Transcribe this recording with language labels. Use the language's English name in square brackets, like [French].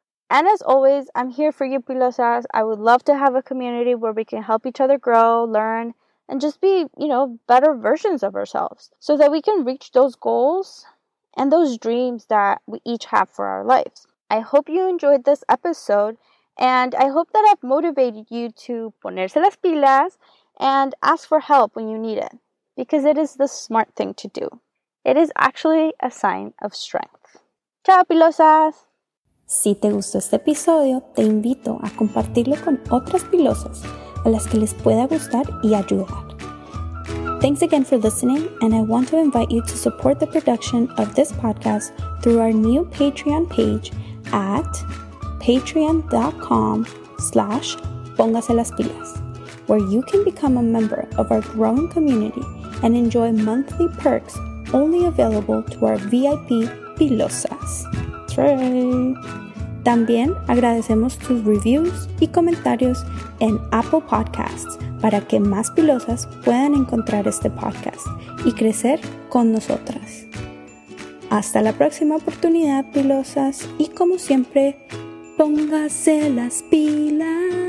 [English] And as always, I'm here for you, Pilosas. I would love to have a community where we can help each other grow, learn, and just be, you know, better versions of ourselves so that we can reach those goals and those dreams that we each have for our lives. I hope you enjoyed this episode. And I hope that I've motivated you to [Spanish] ponerse las pilas [English] and ask for help when you need it, because it is the smart thing to do. It is actually a sign of strength. [Spanish] ¡Chao, pilosas! Si te gustó este episodio, te invito a compartirlo con otras pilosas a las que les pueda gustar y ayudar. [English] Thanks again for listening, and I want to invite you to support the production of this podcast through our new Patreon page at patreon.com/pongaselaspilas, where you can become a member of our growing community and enjoy monthly perks only available to our VIP pilosas. That's right. [Spanish] También agradecemos tus reviews y comentarios en Apple Podcasts para que más pilosas puedan encontrar este podcast y crecer con nosotras. Hasta la próxima oportunidad, pilosas, y como siempre, póngase las pilas.